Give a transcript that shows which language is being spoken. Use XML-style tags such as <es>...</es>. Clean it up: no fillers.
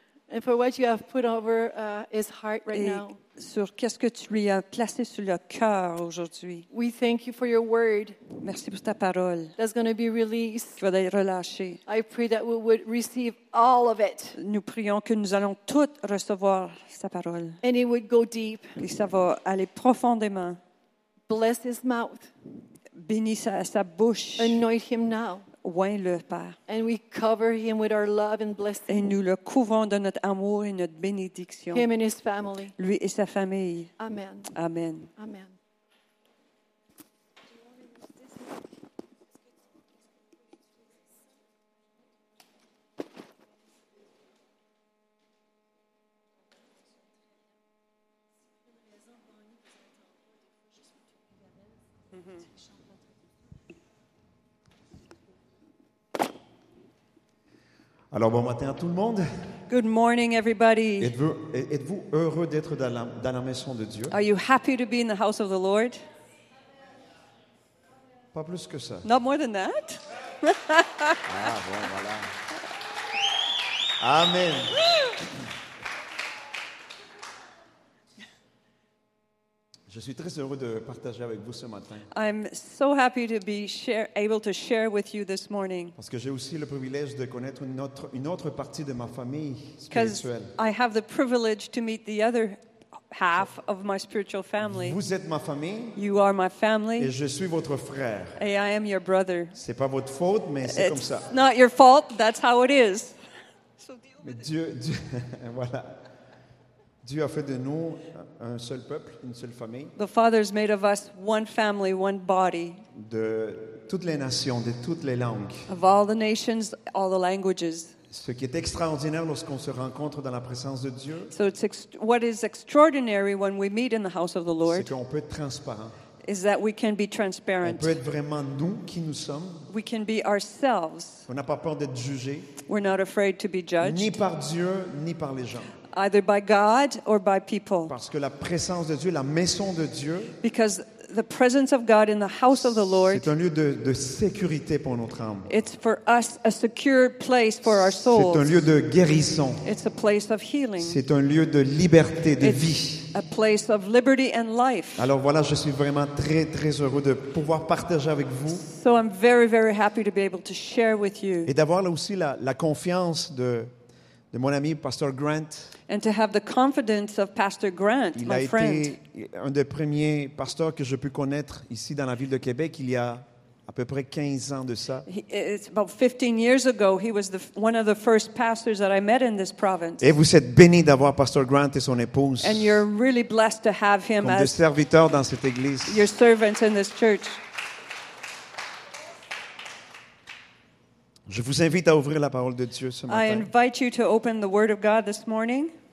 <en>And for what you have put over his heart right</en> <fr>Et</fr> <en>now.</en> <fr>Sur qu'est-ce que tu lui as placé sur le cœur aujourd'hui.</fr> <en>We thank you for your word.</en> <fr>Merci pour ta parole.</fr> <en>That's going to be released.</en> <fr>Qui va être relâchée.</fr> <en>I pray that we would receive all of it.</en> <fr>Nous prions que nous allons toutes recevoir sa parole.</fr> <en>And it would go deep.</en> <fr>Et ça va aller profondément.</fr> <en>Bless his mouth.</en> <fr>Bénis sa bouche.</fr> <en>Anoint him now.</en> <fr>Oins-le, Père.</fr> <en>And we cover him with our love and blessing.</en> <fr>Et nous le couvrons de notre amour et notre bénédiction.</fr> <en>Him and his family.</en> <fr>Lui et sa famille.</fr> <en>Amen. Amen. Amen.</en> <fr>Alors bon matin à tout le monde.</fr> <en>Good morning everybody.</en> <fr>Êtes-vous heureux d'être dans la maison de Dieu?</fr> <en>Are you happy to be in the house of the Lord?</en> <fr>Pas plus que ça.</fr> <en>Not more than that.</en> <fr>Ah bon voilà. Amen. Je suis très heureux de partager avec vous ce matin.</fr> <en>I'm so happy to be able to share with you this morning.</en> <fr>Parce que j'ai aussi le privilège de connaître une autre partie de ma famille spirituelle.</fr> <en>I have the privilege to meet the other half of my spiritual family.</en> <fr>Vous êtes ma famille.</fr> <en>You are my family.</en> <fr>Et je suis votre frère.</fr> <en>And I am your brother.</en> <fr>C'est pas votre faute, mais c'est comme ça.</fr> <en>It's not your fault. That's how it is.</en> <fr>Mais Dieu voilà. Dieu a fait de nous un seul peuple, une seule famille.</fr> <en>The Father has made of us one family, one body.</en> <fr>De toutes les nations, de toutes les langues.</fr> <en>Of all the nations, all the languages.</en> <fr>Ce qui est extraordinaire lorsqu'on se rencontre dans la présence de Dieu.</fr> <en>So it's what is extraordinary when we meet in the house of the Lord.</en> <fr>C'est qu'on peut être transparent.</fr> <en>Is that we can be transparent.</en> <fr>On peut être vraiment nous qui nous sommes.</fr> <en>We can be ourselves.</en> <fr>On n'a pas peur d'être jugé.</fr> <en>We're not afraid to be judged.</en> <fr>Ni par Dieu, ni par les gens.</fr> <en>Either by God or by people.</en> <fr>Parce que la présence de Dieu, la maison de Dieu,</fr> <en>because the presence of God in the house of the Lord,</en> <fr>c'est un lieu de sécurité pour notre âme.</fr> <en>It's for us a secure place for our souls.</en> <fr>C'est un lieu de guérison.</fr> <en>It's a place of healing.</en> <fr>C'est un lieu de liberté, de vie.</fr> <en>A place of liberty and life.</en> <fr>Alors voilà, je suis vraiment très très heureux de pouvoir partager avec vous.</fr> <en>So I'm very very happy to be able to share with you.</en> <fr>Et d'avoir là aussi la confiance de mon ami Pasteur Grant.</fr> <en>And to have the confidence of Pastor Grant,</en> <fr>il</fr> <en>my friend.</en> <fr>Il a été un des premiers pasteurs que j'ai pu connaître ici dans la ville de Québec il y a à peu près 15 ans de ça.</fr> <en>It's about 15 years ago, he was one of the first pastors that I met in this province.</en> <fr>Et vous êtes bénis d'avoir Pasteur Grant et son épouse.</fr> <en>And you're really blessed to have him</en> <fr>comme</fr> <en>as</en> <fr>de serviteur dans cette église.</fr> <en>Your servant in this church.</en> <fr>Je vous invite à ouvrir la parole de Dieu ce matin.</fr> <en>I invite you to open the word of God this morning.</en>